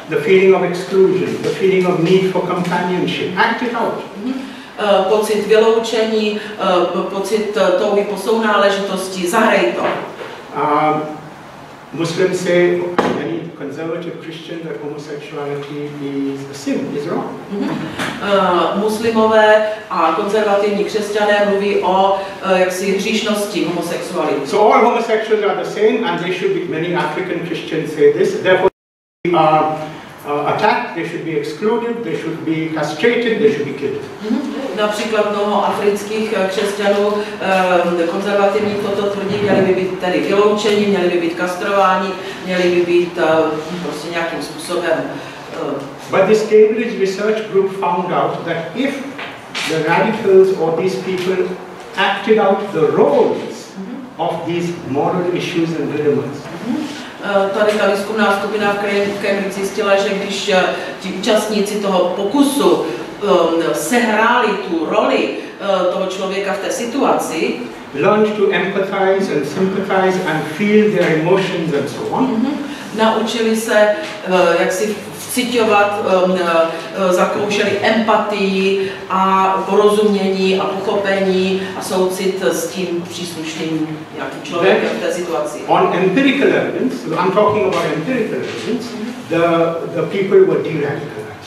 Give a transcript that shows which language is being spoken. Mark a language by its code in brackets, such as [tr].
[en] The feeling of exclusion, the feeling of need for companionship. Act it out. [cs] Pocit vyloučení, pocit touhy po sounáležitosti. Zahraj to. [en] Muslims say, many conservative Christians, that homosexuality is a sin, is wrong. [cs] Muslimové a konzervativní křesťané mluví o jaksi hříšnosti homosexuality. [en] So all homosexuals are the same, and they should be, many African Christians say this, therefore they are attacked, they should be excluded, they should be castrated, they should be killed. [cs] například mnoho afrických křesťanů konzervativní toto tvrdí, měli by být tedy vyloučeni, měli by být kastrováni, měli by být prostě nějakým způsobem. [en] But this Cambridge research group found out that if the radicals or these people acted out the roles of these moral issues and dilemmas. [cs] Tady ta výzkumná skupina v Cambridge zjistila, že když ti účastníci toho pokusu sehráli tu roli toho člověka v té situaci, [en] learned to empathize and sympathize and feel their emotions and so on. [cs] Naučili se jak si vcitovat, zakoušeli empatii a porozumění a pochopení a soucit s tím příslušným nějakým člověkem v té situaci. [en] On empirical evidence, I'm talking about empirical evidence, the people were de-radicalized.